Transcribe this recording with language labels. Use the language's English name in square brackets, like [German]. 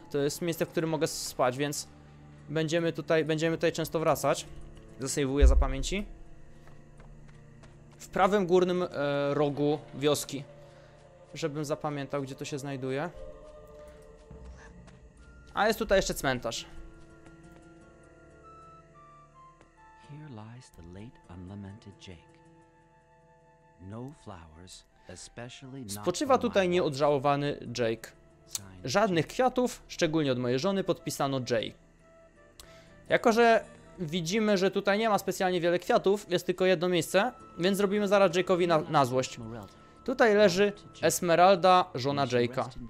[Polish] To jest miejsce, w którym mogę spać, więc będziemy tutaj często wracać. Zasejwuję za pamięci. W prawym górnym rogu wioski. Żebym zapamiętał, gdzie to się znajduje. A jest tutaj jeszcze cmentarz. [English] Here lies the late unlamented Jake. No flowers, especially not. [Polish] Spoczywa tutaj nieodżałowany Jake. Żadnych kwiatów, szczególnie od mojej żony, podpisano Jay. Jako, że widzimy, że tutaj nie ma specjalnie wiele kwiatów, jest tylko jedno miejsce, więc zrobimy zaraz Jake'owi na złość. Tutaj leży Esmeralda, żona Jake'a.